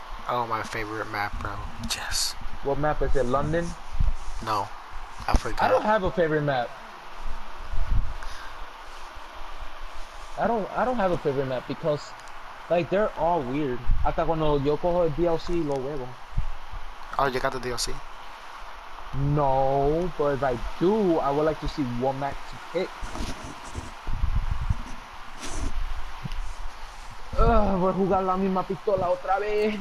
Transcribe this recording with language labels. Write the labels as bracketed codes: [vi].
[en] Oh, my favorite map, bro. Yes. What map is it? London? No. I forgot. I don't have a favorite map. I don't have a favorite map because, like, they're all weird. [es] Hasta cuando yo cojo el DLC, lo huevo. [en] Oh, you got the DLC? No, but if I do, I would like to see what map to pick. [es] Voy a jugar la misma pistola otra vez.